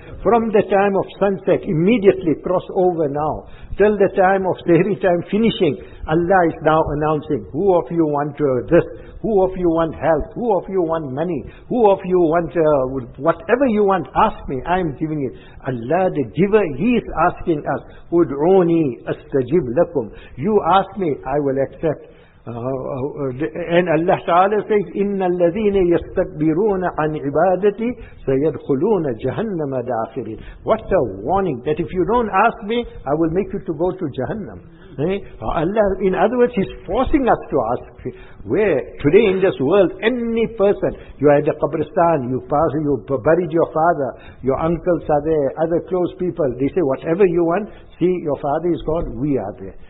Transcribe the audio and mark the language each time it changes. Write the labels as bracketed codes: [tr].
[en] From the time of sunset, immediately cross over now, till the time of sahri time finishing, Allah is now announcing, who of you want this? Who of you want health? Who of you want money? Who of you want whatever you want? Ask me. I am giving it. Allah, the giver, He is asking us, [ar] Ud'uni astajib lakum. [en] You ask me, I will accept. [ar] إن الله تعالى سيد إن الذين يستكبرون عن عبادتي سيدخلون جهنم داخرين. [en] What a warning that if you don't ask me, I will make you to go to Jahannam. Allah, in other words, he's forcing us to ask. Where today in this world, any person, you are at the Qabristan, you buried your father, your uncles are there, other close people, they say whatever you want, see your father is gone, we are there.